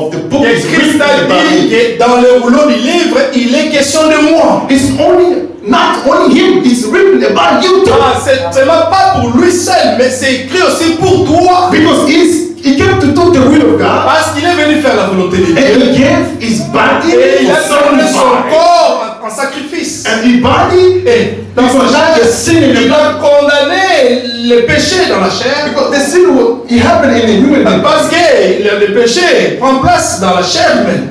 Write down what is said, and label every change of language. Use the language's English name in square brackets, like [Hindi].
[French] Dans le rouleau du livre, il est question de moi. [English] It's only not only him. It's written about you too. [French] Ah, c'est vraiment pas pour lui seul, mais c'est écrit aussi pour toi. [English] Because he came to do the will of God. [French] Parce qu'il est venu faire la volonté de Dieu. [English] And he gave his body. [French] Et il a donné son corps en sacrifice. [English] And his body. [French] Et dans sa chair, il a condamné le péché dans la chair. [English] Because the sin was. It happened in the human being. [French] Parce que le péché prend place dans la chair humaine.